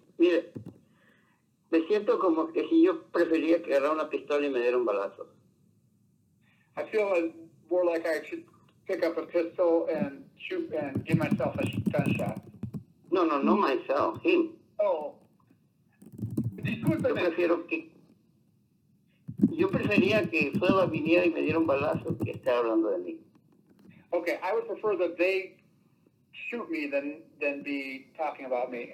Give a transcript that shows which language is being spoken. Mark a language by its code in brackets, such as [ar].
[es] Mire, me siento como que si yo prefería que agarrar una pistola y me diera un balazo. [en] I feel more like I should pick up a pistol and shoot and give myself a gunshot. No, no, no myself, him. [es] Oh. Disculpe. Yo prefiero que... Yo prefería que Fuego viniera y me diera un balazo que estar hablando de mí. [en] Okay, I would prefer that they shoot me than be talking about me.